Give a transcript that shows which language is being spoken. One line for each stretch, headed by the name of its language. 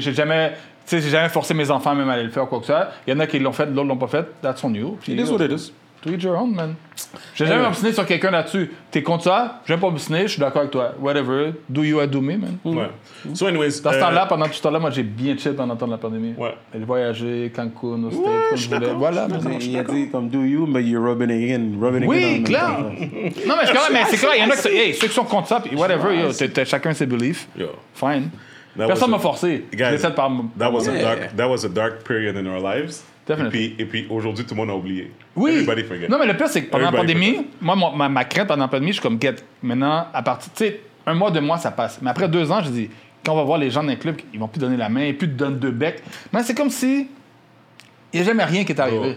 French: J'ai jamais forcé mes enfants même à aller le faire ou quoi que ce soit. Il y en a qui l'ont fait, d'autres l'ont pas fait.
English: That's on you. It is what it is. Do it your own, man.
French: J'ai jamais obstiné sur quelqu'un là-dessus. T'es contre ça? J'aime pas obstiner, je suis d'accord avec toi.
English: Whatever. Do you, I do me, man.
French: Ouais.
English: So, anyways.
French: Dans ce temps-là, pendant tout ce temps-là, moi, j'ai bien chill pendant le temps de la pandémie. Ouais. J'ai voyagé, Cancun, au States, comme je voulais. Voilà, il a dit, comme
English: do you, but you're rubbing it in. Rubbing
French: oui,
English: it in.
French: Oui, clair. Non, mais c'est clair. Il y en a qui hey, ceux qui sont contre ça, puis whatever, yo, t'as chacun ses beliefs. Yo. Fine. Personne m'a forcé. J'essaie de parler.
English: That was a dark period in our lives.
French: Et puis aujourd'hui, tout le monde a oublié. Oui. Non, mais le pire, c'est que pendant la pandémie, ma crainte pendant la pandémie, je suis comme, get, maintenant, à partir, tu sais, un mois, deux mois, ça passe. Mais après deux ans, je dis, quand on va voir les gens dans les clubs, ils vont plus donner la main, ils plus te donnent deux becs. Mais c'est comme si il n'y a jamais rien qui est arrivé.